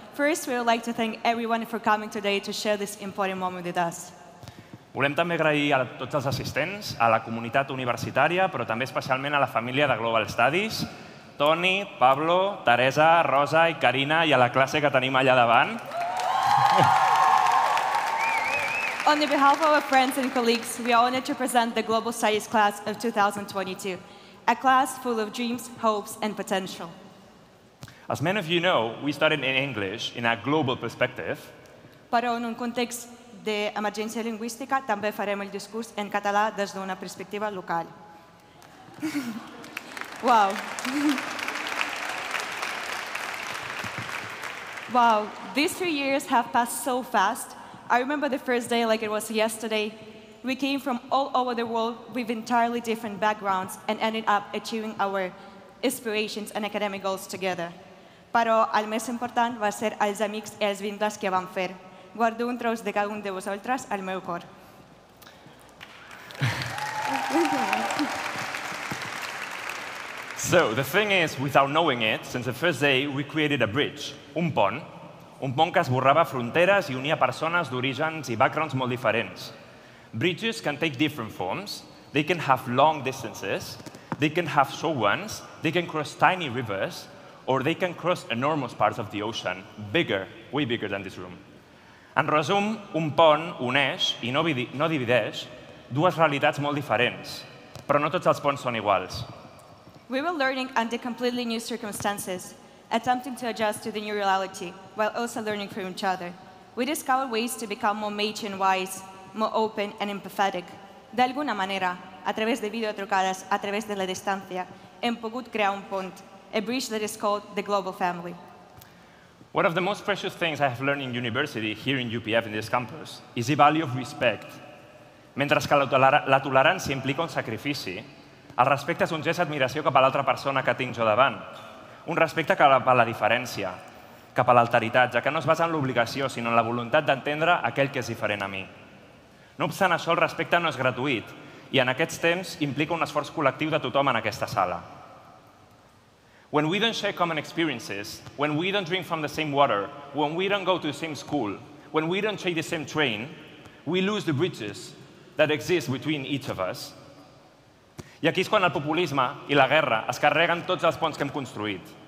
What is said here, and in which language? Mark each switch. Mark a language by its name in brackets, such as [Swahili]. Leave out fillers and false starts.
[English] First, we would like to thank everyone for coming today to share this important moment with us. [Catalan] Volem també agrair a tots els assistents, a la comunitat universitària, però també especialment a la família de Global Studies, Toni, Pablo, Teresa, Rosa i Karina, i a la classe que tenim allà davant. [English] On the behalf of our friends and colleagues, we are honored to present the Global Studies class of 2022, a class full of dreams, hopes and potential. As many of you know, we started in English in a global perspective. [Catalan] Però en un context d'emergència lingüística, també farem el discurs en català des d'una perspectiva local. [English] Wow. Wow, these 3 years have passed so fast. I remember the first day like it was yesterday. We came from all over the world with entirely different backgrounds and ended up achieving our aspirations and academic goals together. [Catalan] Però el més important va ser els amics i els vincles que vam fer. Guardo un tros de cada un de vosaltres al meu cor. [English] So, the thing is, without knowing it, since the first day, we created a bridge, [Catalan] un pont que esborrava fronteres i unia persones d'orígens i backgrounds molt diferents. [English] Bridges can take different forms, they can have long distances, they can have short ones, they can cross tiny rivers, or they can cross enormous parts of the ocean, bigger, way bigger than this room. [Catalan] En resum, un pont uneix i no divideix dues realitats molt diferents, però no tots els ponts són iguals. [English] We were learning under completely new circumstances, attempting to adjust to the new reality, while also learning from each other. We discovered ways to become more mature and wise, more open and empathetic. [Catalan] D'alguna manera, a través de videotrucades, a través de la distància, hem pogut crear un pont, [English] a bridge that is called the global family. One of the most precious things I have learned in university here in UPF in this campus is the value of respect. [Catalan] Mentre que la tolerància implica un sacrifici, el respecte és un gest d'admiració cap a l'altra persona que tinc jo davant. Un respecte cap a la diferència, cap a l'alteritat, ja que no es basa en l'obligació, sinó en la voluntat d'entendre aquell que és diferent a mi. No obstant això, el respecte no és gratuït i en aquests temps implica un esforç col·lectiu de tothom en aquesta sala. [English] When we don't share common experiences, when we don't drink from the same water, when we don't go to the same school, when we don't take the same train, we lose the bridges that exist between each of us. [Catalan] I aquí és quan el populisme i la guerra es carreguen tots els ponts que hem construït.